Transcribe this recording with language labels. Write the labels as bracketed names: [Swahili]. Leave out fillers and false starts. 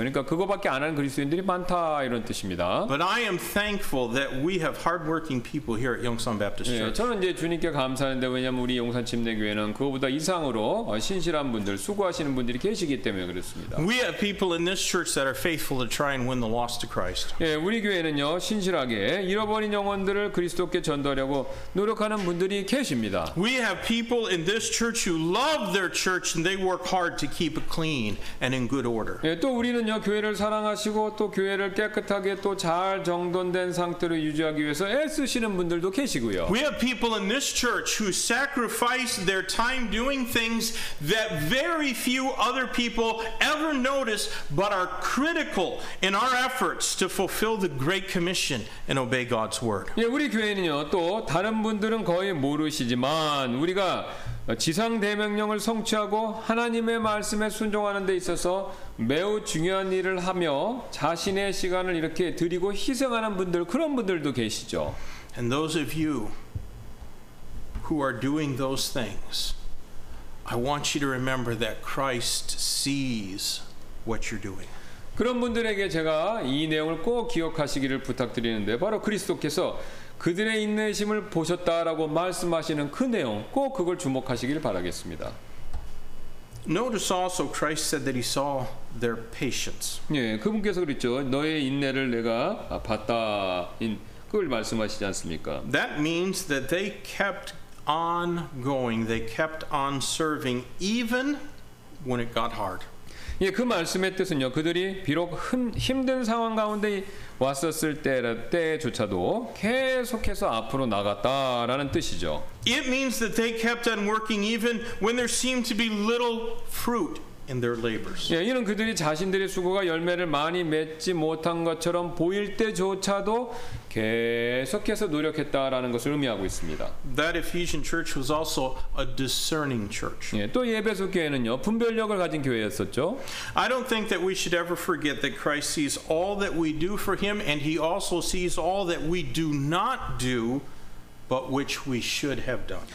[Korean] 그러니까 그거밖에 안 하는 그리스도인들이 많다 이런 뜻입니다. [English] But I am thankful that we have hard-working people here at Yongsan Baptist Church. [Korean] 예, 저는 이제 주님께 감사하는데 왜냐면 우리 용산 침례 교회는 그거보다 이상으로 신실한 분들, 수고하시는 분들이 계시기 때문에 그렇습니다. [English] We have people in this church that are faithful to try and win the lost to Christ. [Korean] 예, 우리 교회는요. 신실하게 잃어버린 영혼들을 그리스도께 전도하려고 노력하는 분들이 계십니다. [English] We have people in this church who love their church and they work hard to keep it clean and in good order. [Korean] 예, 또 우리는요 교회를 사랑하시고 또 교회를 깨끗하게 또 잘 정돈된 상태로 유지하기 위해서 애쓰시는 분들도 계시고요. [English] We have people in this church who sacrifice their time doing things that very few other people ever notice but are critical in our efforts to fulfill the great commission and obey God's word. [Korean] 예, 우리 교회는요 또 다른 분들은 거의 모르시지만 우리가 지상 대명령을 성취하고 하나님의 말씀에 순종하는 데 있어서 매우 중요한 일을 하며 자신의 시간을 이렇게 드리고 희생하는 분들 그런 분들도 계시죠. [English] And those of you who are doing those things, I want you to remember that Christ sees what you're doing. [Korean] 그런 분들에게 제가 이 내용을 꼭 기억하시기를 부탁드리는데 바로 그리스도께서 그들의 인내심을 보셨다라고 말씀하시는 그 내용 꼭 그걸 주목하시길 바라겠습니다. [English] Notice also Christ said that he saw their patience. [Korean] 예, 그분께서 그랬죠. 너의 인내를 내가 봤다. 그걸 말씀하시지 않습니까? [English] That means that they kept on going. They kept on serving even when it got hard. [Korean] 예, 그 말씀의 뜻은요. 그들이 비록 힘든 상황 가운데 왔었을 때조차도 계속해서 앞으로 나갔다라는 뜻이죠. [English] It means that they kept on working even when there seemed to be little fruit in their labors. [Korean] 예, 이는 그들이 자신들의 수고가 열매를 많이 맺지 못한 것처럼 보일 때조차도 계속해서 노력했다라는 것을 의미하고 있습니다. [English] That Ephesian church was also a discerning church. [Korean] 예, 또 에베소 교회는요 분별력을 가진 교회였었죠. [English] I don't think that we should ever forget that Christ sees all that we do for Him, and He also sees all that we do not do, but which we should have done.